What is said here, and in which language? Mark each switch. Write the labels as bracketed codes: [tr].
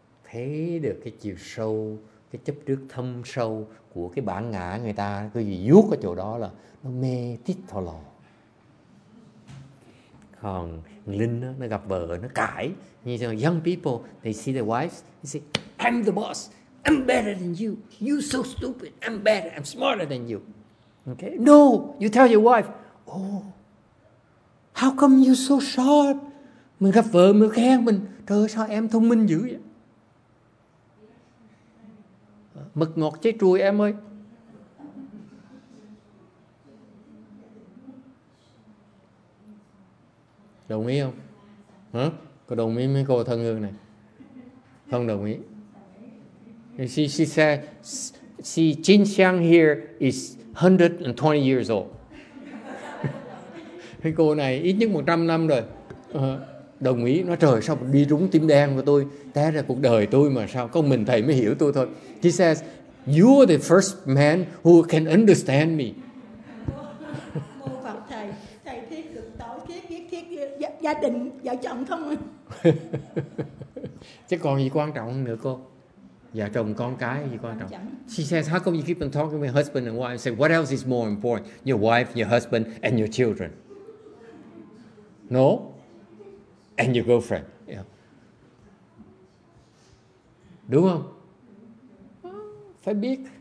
[vi] Thấy được cái chiều sâu, cái chấp trước thâm sâu của cái bản ngã người ta, cái gì vuốt ở chỗ đó là nó mê tít thò lò. Còn Linh đó, nó gặp vợ, nó cãi. Như thế, [en] young people, they see their wives, they say, "I'm the boss, I'm better than you. You're so stupid, I'm better, I'm smarter than you." Okay. "No, you tell your wife, 'Oh, how come you're so sharp?'" [vi] Mình gặp vợ mình khen mình, "Trời ơi, sao em thông minh dữ vậy? Mực ngọt trái chuối em ơi." Đồng ý không? Hả? Có đồng ý mấy cô thân hương này? Không đồng ý. [en] She said, "See, Jin Xiang here is 120 years old." [vi] Cái cô này ít nhất 100 năm rồi. Đồng ý. Nói trời, sao đi rúng tim đen của tôi. Té ra cuộc đời tôi mà sao. Có mình thầy mới hiểu tôi thôi. [en] She says, "You are the first man who can understand me." [vi] Mô phật thầy. Thầy thiết được tổ chức biết thiết gia đình, vợ chồng không? Chứ còn gì quan trọng nữa cô? Vợ chồng con cái gì quan trọng? [en] She says, "How come you keep on talking with husband and wife?" I say, "What else is more important? Your wife, your husband, and your children." "No? And your girlfriend." Yeah. [vi] Đúng không? Phải biết.